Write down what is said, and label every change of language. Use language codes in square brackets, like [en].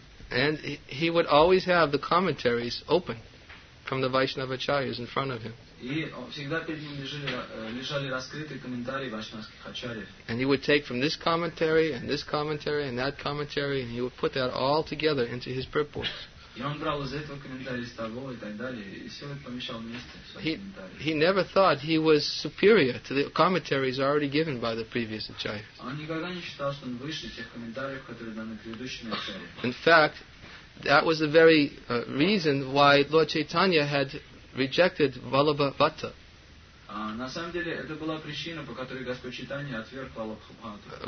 [en] And he would always have the commentaries open from the Vaishnava Acharyas in front of him. And he would take from this commentary and this commentary and that commentary and he would put that all together into his purport. [ru] И он брал из этого комментария, из того и так далее, и все это помещал вместе. [en] He never thought he was superior to the commentaries already given by the previous acharyas. [ru] Он никогда не считал, что он выше тех комментариев, которые даны предыдущими acharyas. [en] In fact, that was the very reason why Lord Chaitanya had rejected Vallabhavatta. [ru] На самом деле, это была причина, по которой Господь Чайтанья отверг Валлабхабхатту.